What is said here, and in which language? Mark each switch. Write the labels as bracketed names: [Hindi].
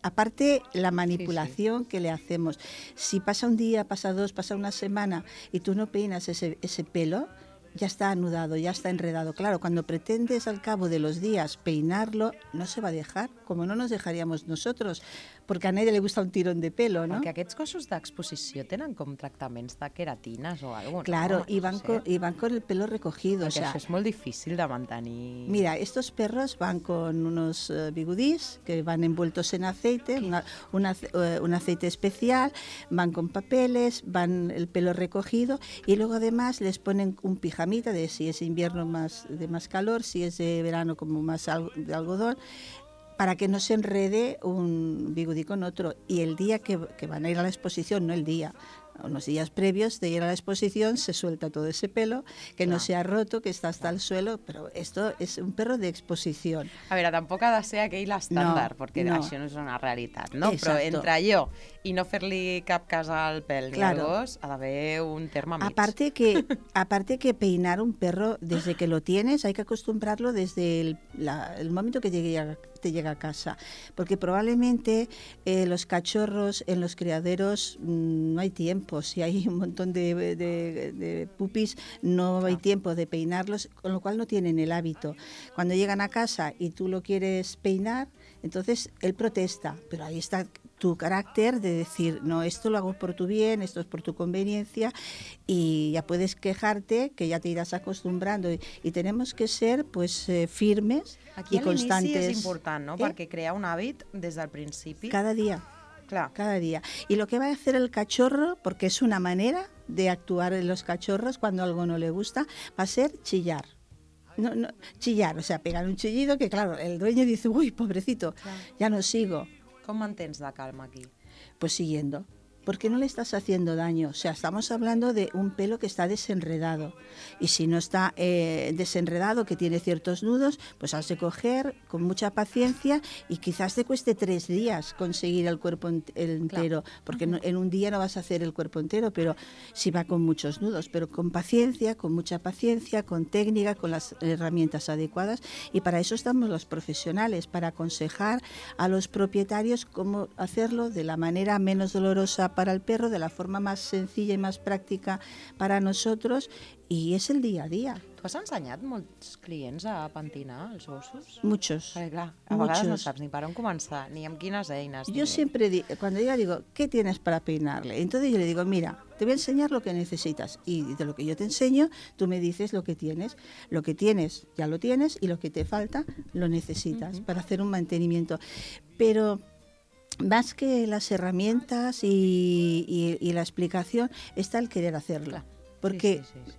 [Spanish] Aparte, la manipulación que le hacemos. Si pasa un día, pasa dos, pasa una semana y tú no peinas ese pelo, ya está anudado, ya está enredado. Claro, cuando pretendes al cabo de los días peinarlo, no se va a dejar, como no nos dejaríamos nosotros, porque a nadie le gusta un tirón de pelo, ¿no? [Catalan] Porque aquests cossos d'exposició tenen com tractaments de queratines o algo, ¿no? [Spanish] Claro, no, van con el pelo recogido. [Catalan] Perquè això és molt difícil de mantenir. [Spanish] Mira, estos perros van con unos bigudís que van envueltos en aceite, un aceite especial, van con papeles, van el pelo recogido y luego además les ponen un pijamita de si es invierno más de más calor, si es de verano como más de algodón, para que no se enrede un bigudí con otro. Y el día que van a ir a la exposición, no el día, unos días previos de ir a la exposición, se suelta todo ese pelo, que no se ha roto, que está hasta el suelo, pero esto es un perro de exposición. [Catalan] A ver, tampoc ha de ser aquell estàndard, perquè això no és una realitat, no? [Spanish] Exacto. [Catalan] Però entre jo i no fer-li cap cas al pèl ni al gos, ha d'haver un terme mig. [Spanish] Aparte que peinar un perro, desde que lo tienes, hay que acostumbrarlo desde el momento que te llega a casa, porque probablemente los cachorros en los criaderos no hay tiempo, si hay un montón de pupis no hay tiempo de peinarlos, con lo cual no tienen el hábito. Cuando llegan a casa y tú lo quieres peinar, entonces él protesta, pero ahí está tu carácter de decir, no, esto lo hago por tu bien, esto es por tu conveniencia, y ya puedes quejarte que ya te irás acostumbrando, y tenemos que ser pues firmes. Aquí y constantes. [Catalan] L'inici és important, no? Perquè crea un hàbit des del principi. Cada dia. Clar. Cada dia. I el que va a fer el cachorro, perquè és una manera de actuar [Spanish] en los cachorros cuando algo no le gusta, va a ser chillar. No, chillar, o sea, pegar un chillido que, claro, el dueño dice, uy, pobrecito, ya no sigo. [Catalan] Com mantens la calma aquí? [Spanish] Pues siguiendo. Porque no le estás haciendo daño. O sea, estamos hablando de un pelo que está desenredado. Y si no está desenredado, que tiene ciertos nudos, pues has de coger con mucha paciencia y quizás te cueste 3 días conseguir el cuerpo entero. Claro. Porque no, en un día no vas a hacer el cuerpo entero, pero si va con muchos nudos. Pero con paciencia, con mucha paciencia, con técnica, con las herramientas adecuadas. Y para eso estamos los profesionales, para aconsejar a los propietarios cómo hacerlo de la manera menos dolorosa para el perro, de la forma más sencilla y más práctica para nosotros, y es el día a día. [Catalan] ¿Tú has ensenyat molts clients a pentinar els ossos? [Spanish] Muchos. [Catalan] Perquè, clar, [Spanish] a muchos. [Catalan] Vegades no saps ni per on començar, ni amb quines eines. [Spanish] Yo siempre, cuando yo digo, ¿qué tienes para peinarle? Entonces yo le digo, mira, te voy a enseñar lo que necesitas, y de lo que yo te enseño, tú me dices lo que tienes. Lo que tienes, ya lo tienes, y lo que te falta, lo necesitas para hacer un mantenimiento. Pero más que las herramientas y la explicación, está el querer hacerla. Porque, sí.